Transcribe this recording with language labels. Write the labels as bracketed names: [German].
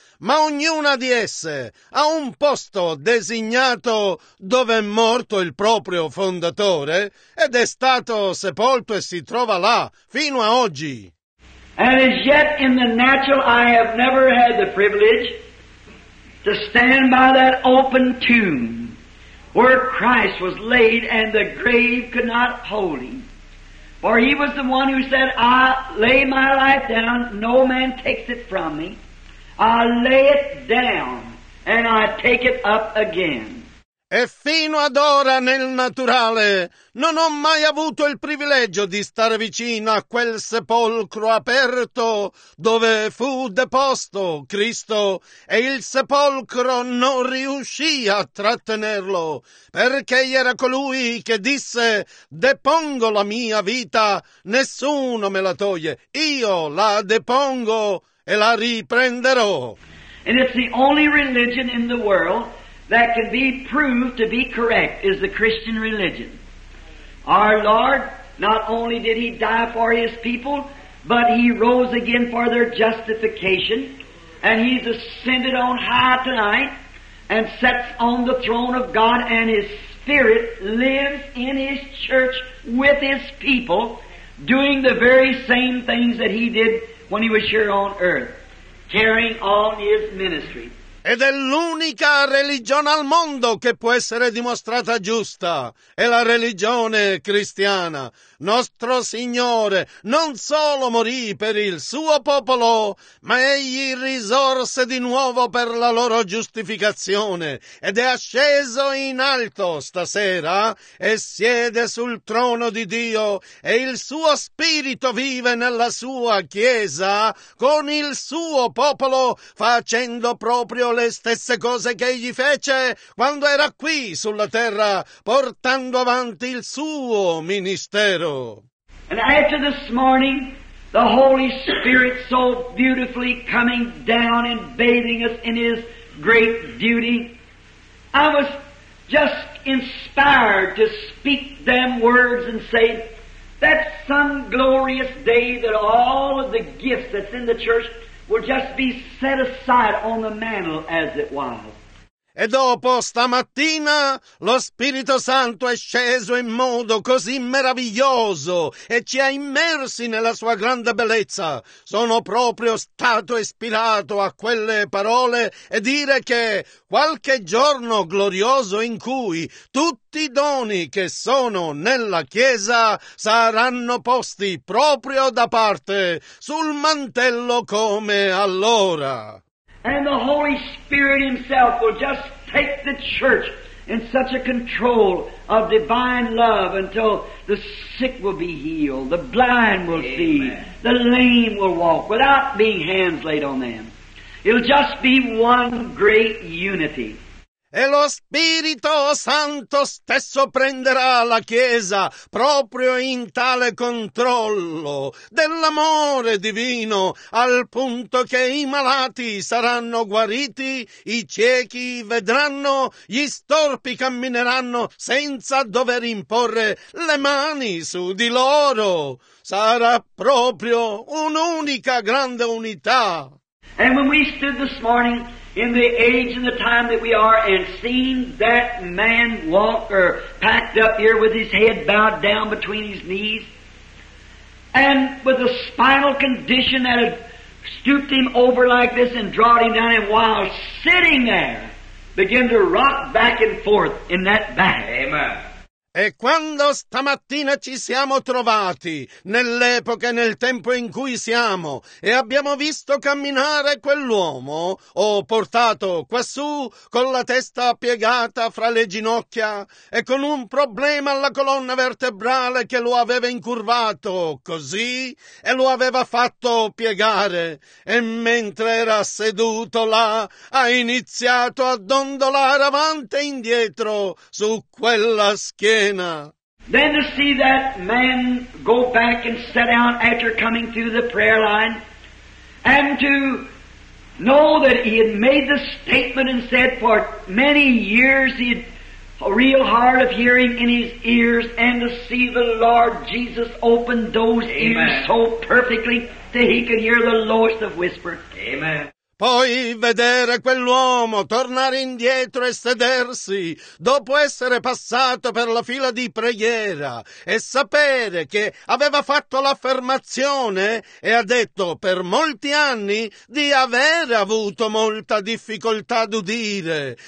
[Italian] Ma ognuna di esse ha un posto designato dove è morto il proprio fondatore ed è stato sepolto e si trova là fino a oggi. [English] And as yet in the natural I have never had the privilege to stand by that open tomb where Christ was laid and the grave could not hold him. For he was the one who said, I lay my life down, no man takes it from me. I lay it down and I take it up again. [Italian] E fino ad ora nel naturale non ho mai avuto il privilegio di stare vicino a quel sepolcro aperto dove fu deposto Cristo, e il sepolcro non riuscì a trattenerlo, perché era colui che disse: depongo la mia vita, nessuno me la toglie, io la depongo e la riprenderò. [English] And it's the only religion in the world that can be proved to be correct is the Christian religion. Our Lord, not only did He die for His people, but He rose again for their justification, and He's ascended on high tonight and sits on the throne of God, and His Spirit lives in His church with His people, doing the very same things that He did when He was here on earth, carrying on His ministry. [Italian] Ed è l'unica religione al mondo che può essere dimostrata giusta, è la religione cristiana. Nostro Signore non solo morì per il suo popolo, ma egli risorse di nuovo per la loro giustificazione, ed è asceso in alto stasera e siede sul trono di Dio, e il suo spirito vive nella sua chiesa con il suo popolo, facendo proprio le stesse cose che egli fece quando era qui sulla terra, portando avanti il suo ministero. [English] And after this morning, the Holy Spirit so beautifully coming down and bathing us in His great beauty, I was just inspired to speak them words and say, that some glorious day that all of the gifts that's in the church will just be set aside on the mantle as it was. [Italian] E dopo stamattina lo Spirito Santo è sceso in modo così meraviglioso e ci ha immersi nella sua grande bellezza. Sono proprio stato ispirato a quelle parole e dire che qualche giorno glorioso in cui tutti i doni che sono nella Chiesa saranno posti proprio da parte sul mantello come allora. [English] And the Holy Spirit Himself will just take the church in such a control of divine love until the sick will be healed, the blind will Amen. See, the lame will walk without being hands laid on them. It'll just be one great unity. [Italian] E lo Spirito Santo stesso prenderà la Chiesa proprio in tale controllo dell'amore divino, al punto che i malati saranno guariti, i ciechi vedranno, gli storpi cammineranno senza dover imporre le mani su di loro. Sarà proprio un'unica grande unità. [English] And when we stood this morning in the age and the time that we are, and seen that man walk or packed up here with his head bowed down between his knees, and with a spinal condition that had stooped him over like this and drawn him down, and while sitting there, began to rock back and forth in that back. Amen. [Italian] E quando stamattina ci siamo trovati nell'epoca e nel tempo in cui siamo e abbiamo visto camminare quell'uomo, ho portato quassù con la testa piegata fra le ginocchia e con un problema alla colonna vertebrale che lo aveva incurvato così e lo aveva fatto piegare, e mentre era seduto là ha iniziato a dondolare avanti e indietro su quella schiena. [English] Then to see that man go back and sit down after coming through the prayer line, and to know that he had made the statement and said for many years he had a real hard of hearing in his ears, and to see the Lord Jesus open those Amen. Ears so perfectly that he could hear the lowest of whisper. Amen. [Italian] Poi vedere quell'uomo tornare indietro e sedersi dopo essere passato per la fila di preghiera e sapere che aveva fatto l'affermazione e ha detto per molti anni di avere avuto molta difficoltà d'udire,